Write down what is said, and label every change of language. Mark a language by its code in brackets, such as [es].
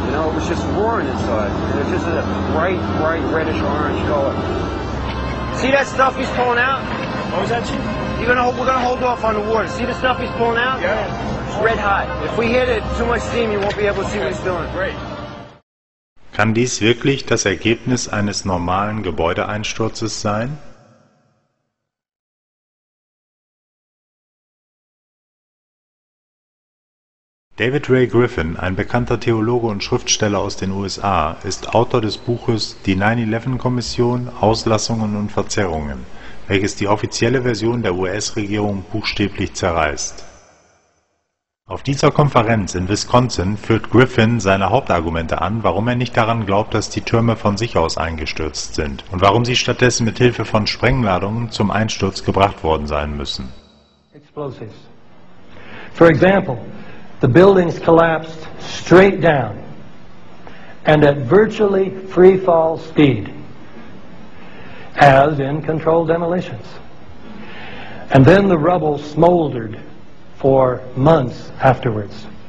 [en] You know, it was just roaring inside. And it's just a bright, bright reddish-orange color. See that stuff he's pulling out? What was that, Chief? We're gonna hold off on the water. See the stuff he's pulling out? Yeah. Red hot. If we hit it too much steam, you won't be able to see what he's doing. Great. [de] Kann dies wirklich das Ergebnis eines normalen Gebäudeeinsturzes sein? David Ray Griffin, ein bekannter Theologe und Schriftsteller aus den USA, ist Autor des Buches Die 9/11-Kommission, Auslassungen und Verzerrungen, welches die offizielle Version der US-Regierung buchstäblich zerreißt. Auf dieser Konferenz in Wisconsin führt Griffin seine Hauptargumente an, warum er nicht daran glaubt, dass die Türme von sich aus eingestürzt sind und warum sie stattdessen mit Hilfe von Sprengladungen zum Einsturz gebracht worden sein müssen. [en] Explosives. For example, the buildings collapsed straight down and at virtually free fall speed, as in controlled demolitions. And then the rubble smoldered for months afterwards.